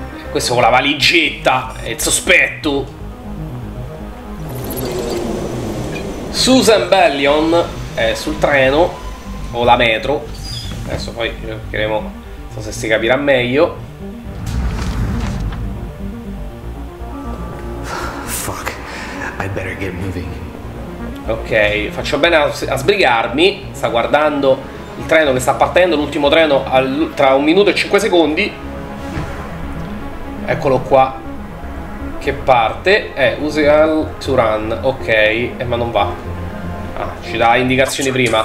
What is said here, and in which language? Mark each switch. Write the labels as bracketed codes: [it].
[it] Questo con la valigetta e il sospetto. Susan Bellion sul treno o la metro, adesso poi cercheremo, non so se si capirà meglio. [en] Fuck, I better get moving. [it] Ok, faccio bene a sbrigarmi. Sta guardando il treno che sta partendo, l'ultimo treno tra un minuto e 5 secondi. Eccolo qua che parte. [en] Use all to run. [it] Ok, ma non va. Ah, ci dà indicazioni prima.